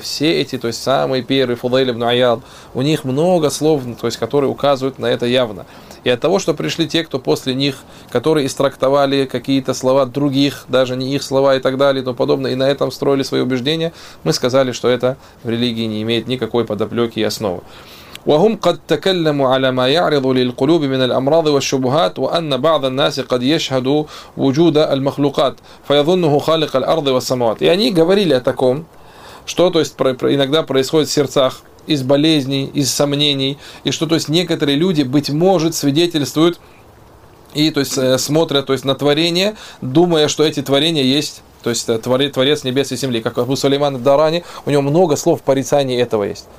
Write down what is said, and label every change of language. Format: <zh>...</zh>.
<ru>Все эти, то есть, самые первые, Фудейль ибн Айяд, у них много слов, то есть, которые указывают на это явно. И от того, что пришли те, кто после них, которые истрактовали какие-то слова других, даже не их слова и так далее, и тому подобное, и на этом строили свои убеждения, мы сказали, что это в религии не имеет никакой подоплеки и основы.</ru> <ar>وهم قد تكلموا على ما يعرض للقلوب من الأمراض والشبهات وأن بعض الناس قد يشهد وجود المخلوقات فيظنه خالق الأرض والسماوات.</ar> <ru>И они говорили о таком, что, то есть, иногда происходит в сердцах из болезней, из сомнений, и что, то есть, некоторые люди, быть может, свидетельствуют и, то есть, смотрят, то есть, на творение, думая, что эти творения есть, то есть, Творец небес и земли, как Абу Сулейман ад-Дарани, у него много слов порицания этого есть.</ru>